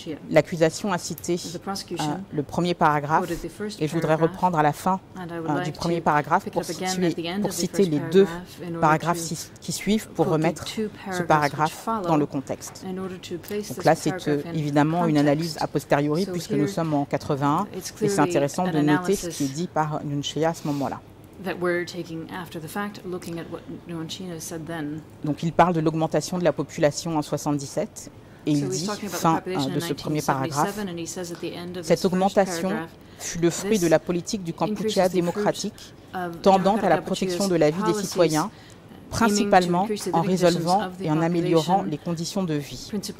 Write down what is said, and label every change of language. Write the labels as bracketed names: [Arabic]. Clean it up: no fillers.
[French] L'accusation a cité le premier paragraphe et je voudrais reprendre à la fin du premier paragraphe pour citer les deux paragraphes qui suivent pour remettre ce paragraphe dans le contexte. Donc là, c'est évidemment une analyse a posteriori puisque nous sommes en 81 et c'est intéressant de noter ce qui est dit par Nunchea à ce moment-là. [English] That we're taking after the fact, looking at what Nunchea said then. [French] Donc il parle de l'augmentation de la population en 77 et il dit, fin de ce premier paragraphe, cette augmentation fut le fruit de la politique du Kampuchea démocratique tendant à la protection de la vie des citoyens, principalement en résolvant et en améliorant les conditions de vie.